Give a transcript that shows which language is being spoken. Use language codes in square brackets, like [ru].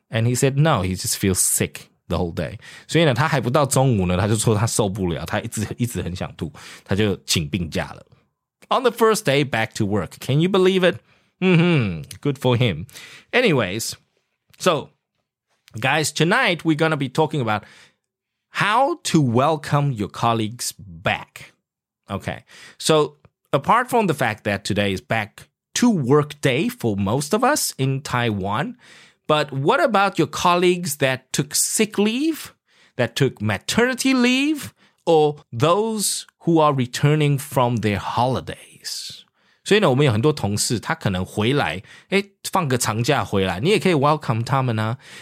[en] And he said, no, he just feels sick. The whole day. [zh] 所以呢他还不到中午呢，他就说他受不了，他一直很想吐，他就请病假了。 [en] On the first day back to work. Can you believe it? Mm-hmm. Good for him. Anyways, so guys, tonight we're going to be talking about how to welcome your colleagues back. Okay. So apart from the fact that today is back to work day for most of us in Taiwan, but what about your colleagues that took sick leave, that took maternity leave, or those... who are returning from their holidays. [zh] 所以呢我们有很多同事他可能回来放个长假回来，你也可以 welcome 他们啊。